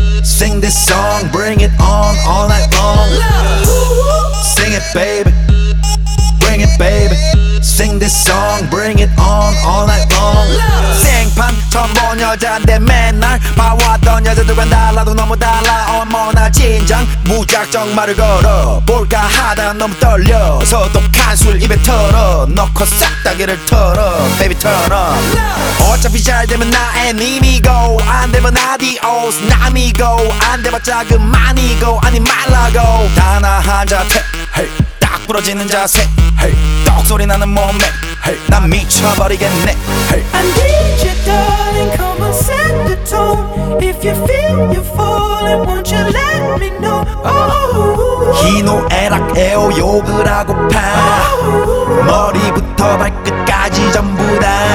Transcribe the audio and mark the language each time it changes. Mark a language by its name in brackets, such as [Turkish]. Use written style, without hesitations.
[English] Sing this song, bring it on all night long. Sing it, baby. Bring it, baby. Sing this song, bring it on all night long. [Korean] 생판 처음 본 여자인데 맨날 봐왔던 여자들과 달라도 너무 달라. 어머 나 진정 무작정 말을 걸어 볼까 하다 너무 떨려. 소독한 술 입에 털어 넣고 싹다기를 털어. [English] Baby turn on. [Korean] 어차피 잘 되면 나의 님이고 안 되면 adios 남이고 안 돼봤자 그만이고 아니 말라고. 단 한 자태 hey. 딱 부러지는 자세 hey. 떡소리 나는 몸매 hey. 난 미쳐버리겠네 hey. [English] I need you darling, come on set the tone. If you feel you're falling, won't you let me know. [Korean] 희노애락 애호욕을 하고 파 머리부터 발끝까지 전부 다.